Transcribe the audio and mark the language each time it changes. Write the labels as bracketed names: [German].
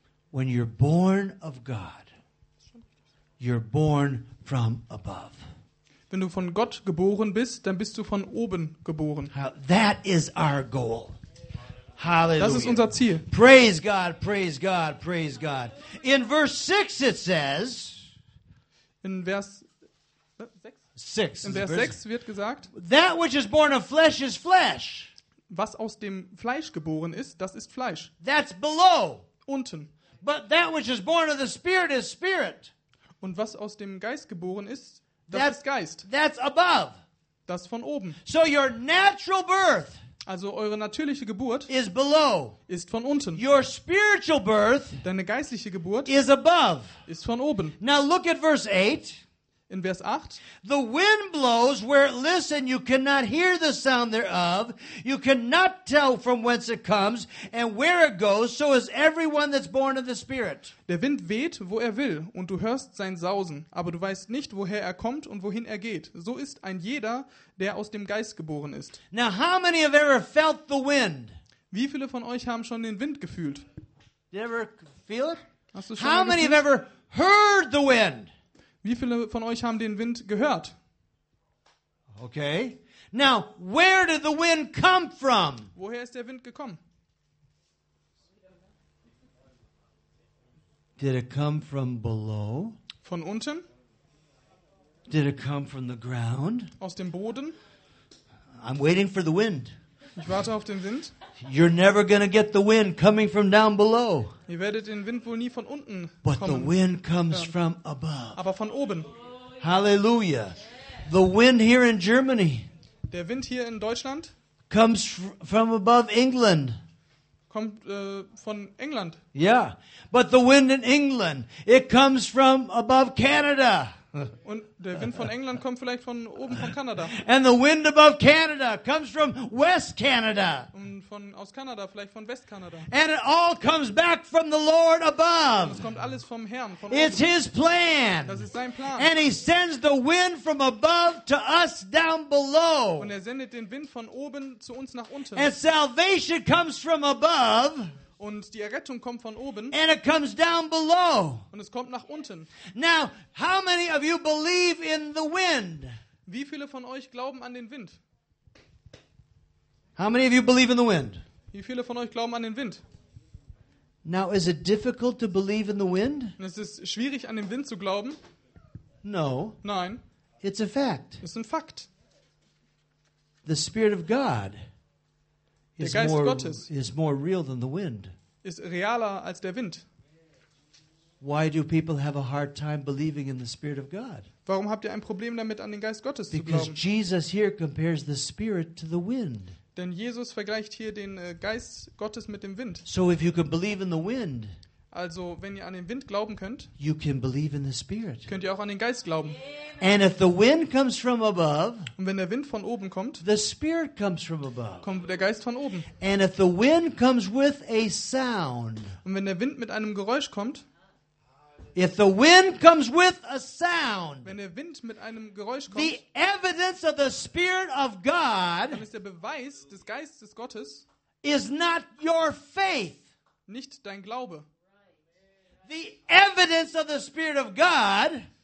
[English] When you're born of God, you're born from above. [German] Wenn du von Gott geboren bist, dann bist du von oben geboren. [English] That is our goal. Hallelujah. [German] Das ist unser Ziel. [English] Praise God, praise God, praise God. In verse 6 it says, [German] in Vers 6. In Vers 6 wird gesagt, [English] that which is born of flesh is flesh. [German] Was aus dem Fleisch geboren ist, das ist Fleisch. [English] That's below. [German] Unten. [English] But that which is born of the Spirit is Spirit. [German] Und was aus dem Geist geboren ist, das ist Geist. [English] That's above. [German] Das von oben. [English] So your natural birth, [German] also eure natürliche Geburt, [English] is below. [German] Ist von unten. [English] Your spiritual birth, [German] deine geistliche Geburt, [English] is above. [German] Ist von oben. [English] Now look at verse 8. [German] In Vers 8. [English] The wind blows where it lists, and you cannot hear the sound thereof. You cannot tell from whence it comes and where it goes. So is everyone that's born of the Spirit. [German] Der Wind weht, wo er will, und du hörst sein Sausen. Aber du weißt nicht, woher er kommt und wohin er geht. So ist ein jeder, der aus dem Geist geboren ist. [English] Now, how many have ever felt the wind? [German] Wie viele von euch haben schon den Wind gefühlt? [English] You ever feel it? [German] Hast du schon [English] how many have ever heard the wind? [German] Wie viele von euch haben den Wind gehört? [English] Okay. Now, where did the wind come from? [German] Woher ist der Wind gekommen? [English] Did it come from below? [German] Von unten? [English] Did it come from the ground? [German] Aus dem Boden? [English] I'm waiting for the wind. [German] Ich warte auf den Wind. [English] You're never going to get the wind coming from down below. [German] Ihr werdet den Wind wohl nie von unten kommen. [English] But the wind comes from above. [German] Aber von oben. [English] Hallelujah. The wind here in Germany. [German] Der Wind hier in Deutschland. [English] Comes from above England. [German] Kommt von England. [English] Yeah. But the wind in England, it comes from above Canada. [German] Und der Wind von England kommt vielleicht von oben von Kanada. [English] And the wind above Canada comes from West Canada. [German] Und von aus Kanada, vielleicht von Westkanada. [English] And it all comes back from the Lord above. [German] Es kommt alles vom Herrn, von [English] it's [German] oben. [English] His plan. [German] Das ist sein Plan. [English] And he sends the wind from above to us down below. [German] Und er sendet den Wind von oben zu uns nach unten. [English] And salvation comes from above. [German] Und die Errettung kommt von oben. [English] And it comes down below. [German] Und es kommt nach unten. [English] Now, how many of you believe in the wind? [German] Wie viele von euch glauben an den Wind? [English] How many of you believe in the wind? [German] Wie viele von euch glauben an den Wind? [English] Now, is it difficult to believe in the wind? [German] Ist es schwierig, an den Wind zu glauben? [English] No. [German] Nein. [English] It's a fact. [German] Es ist ein Fakt. [English] The Spirit of God. [German] Der Geist Gottes [English] is more real than the wind. [German] Ist realer als der Wind. [English] Why do people have a hard time believing in the Spirit of God? [German] Warum habt ihr ein Problem damit, an den Geist Gottes zu glauben? [English] Because Jesus here compares the Spirit to the wind. [German] Denn Jesus vergleicht hier den Geist Gottes mit dem Wind. [English] So if you can believe in the wind, [German] also wenn ihr an den Wind glauben könnt, [English] you can believe in the Spirit. [German] Könnt ihr auch an den Geist glauben. [English] And if the wind comes from above, [German] und wenn der Wind von oben kommt, [English] the Spirit comes from above. [German] Kommt der Geist von oben. [English] And if the wind comes with a sound, [German] und wenn der Wind mit einem Geräusch kommt, [English] if the wind comes with a sound, [German] wenn der Wind mit einem Geräusch kommt, [English] the evidence of the Spirit of God, [German] dann ist der Beweis des Geistes Gottes, [English] is not your faith, [German] nicht dein Glaube. [English] The evidence of the Spirit of God,